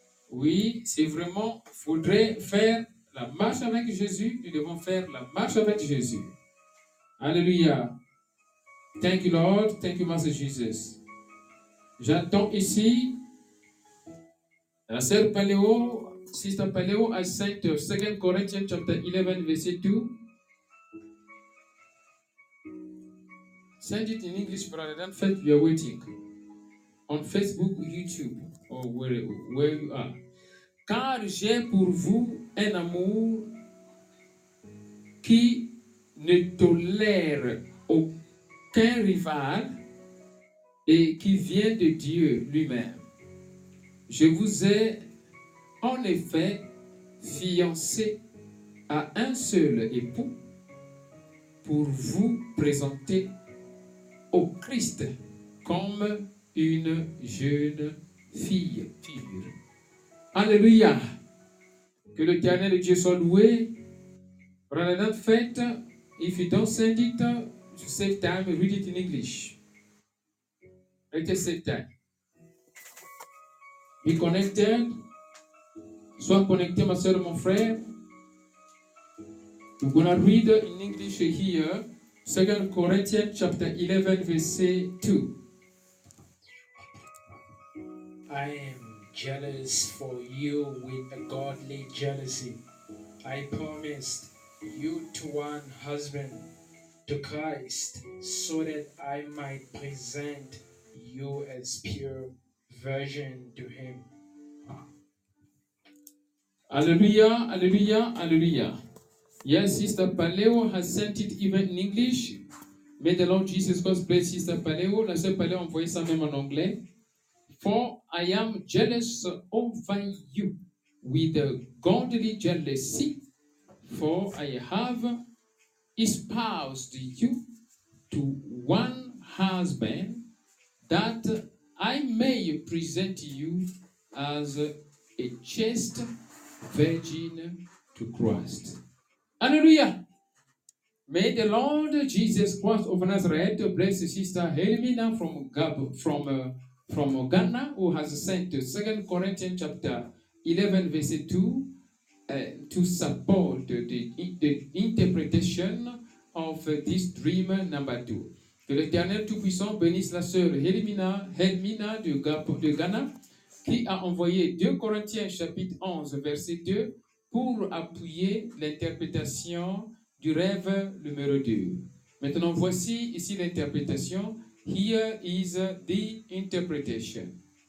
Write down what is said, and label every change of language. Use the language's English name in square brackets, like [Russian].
[French] Oui, c'est vraiment, faudrait faire la marche avec Jésus, nous devons faire la marche avec Jésus. Alléluia. [English] Thank you, Lord. Thank you, Master Jesus. [French] J'attends ici, la sœur Paléo, [English] Sister Paléo, a sent 2 Corinthians chapter 11, verset 2. Send it in English, brother. In fact, we are waiting on Facebook, YouTube, or where you are. [French] Car j'ai pour vous un amour qui ne tolère aucun rival et qui vient de Dieu lui-même. Je vous ai en effet fiancé à un seul époux pour vous présenter au Christ comme une jeune fille pure. Alléluia. Que l'Éternel Dieu soit loué. [English] Brother Danfeld, if you don't send it, you save time, read it in English. Let us save time. Be connected. [French] Sois connecté, ma soeur, mon frère. [English] We're going to read in English here. 2 Corinthians chapter 11, verset 2. I am jealous for you with a godly jealousy. I promised you to one husband to Christ so that I might present you as pure virgin to him. Alleluia, alleluia, alleluia. Yes, Sister Paléo has sent it even in English. May the Lord Jesus Christ bless Sister Paléo. [French] La Sœur Paléo a envoyé ça même en anglais. [English] For I am jealous over you with a godly jealousy, for I have espoused you to one husband that I may present you as a chaste virgin to Christ. Alleluia! May the Lord Jesus Christ of Nazareth bless Sister Helmina from Ghana, who has sent 2 Corinthians chapter 11, verse 2. to support the interpretation of this dream number two. [French] Que l'Éternel Tout-Puissant bénisse la sœur Helmina de Ghana, qui a envoyé 2 Corinthiens chapitre 11 verset 2 pour appuyer l'interprétation du rêve numéro 2. Maintenant voici ici l'interprétation. [English] Here is the interpretation.